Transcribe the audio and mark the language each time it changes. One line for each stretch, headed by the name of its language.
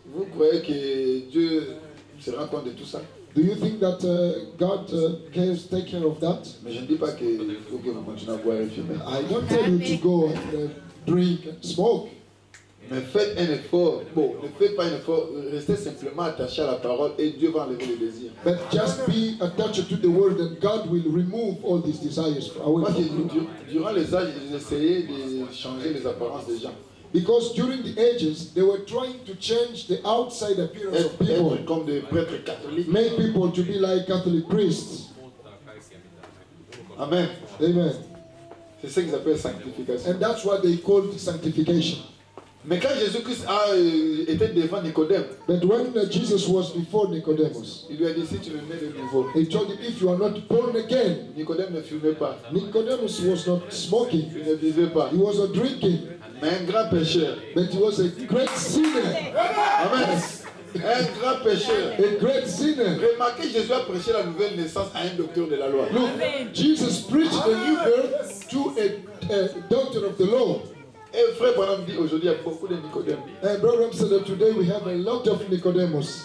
French: Vous croyez que Dieu se rend compte de tout ça?
English: Do you think that God cares, take care of that?
French: Mais je ne dis pas que vous devez continuer à boire et fumer.
English: I don't tell you to go drink and smoke.
French: Mais faites un effort. Bon, ne faites pas un effort. Restez simplement attaché à la parole et Dieu va enlever les désirs.
English: But just be attached to the word and God will remove all these desires away from you.
French: Moi, durant les âges, ils essayaient de changer les apparences des gens.
English: Because during the ages, they were trying to change the outside appearance of people.
French: Comme des prêtres catholiques.
English: Make people to be like Catholic priests. Amen. Amen.
French: C'est ce qu'ils appellent sanctification.
English: And that's what they called sanctification.
French: Mais quand Jésus-Christ a été devant Nicodème,
English: but when Jesus was before Nicodemus,
French: il lui a dit si tu veux naître de nouveau,
English: he told him if you are not born again,
French: Nicodème ne fumait pas.
English: Nicodemus was not smoking,
French: il ne buvait pas.
English: He was not drinking,
French: mais un grand pécheur.
English: But he was a great sinner.
French: Amen. Un grand pécheur.
English: A great sinner.
French: Remarquez, Jésus a prêché la nouvelle naissance à un docteur de la loi.
English: Look, Jesus preached a new birth to a doctor of the law.
French: Et frère Branham dit aujourd'hui il y a beaucoup de Nicodèmes.
English: And brother Branham said that today we have a lot of Nicodemus.